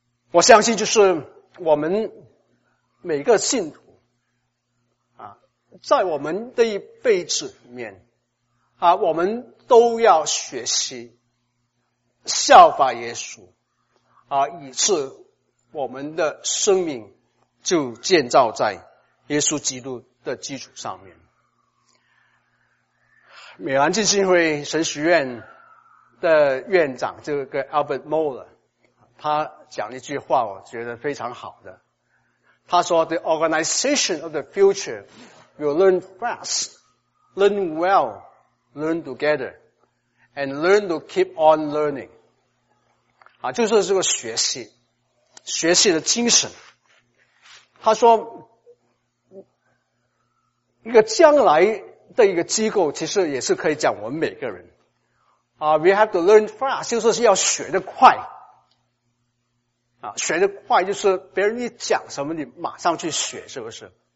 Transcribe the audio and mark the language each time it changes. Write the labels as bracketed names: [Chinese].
[Chinese] 我相信就是我们每个信徒啊，在我们的一辈子里面啊，我们都要学习效法耶稣啊，以致我们的生命就建造在耶稣基督的基础上面。美兰浸信会神学院的院长这个 Albert Moeller，他讲了一句话我觉得非常好的，他说 [English] The organization of the future will learn fast, learn well, learn together, and learn to keep on learning。 [Chinese] 啊，就是这个学习的精神。他说一个将来的一个机构，其实也是可以讲我们每个人啊， [English] We have to learn fast， [Chinese] 就是要学得快啊，学得快就是别人一讲什么你马上去学，是不是？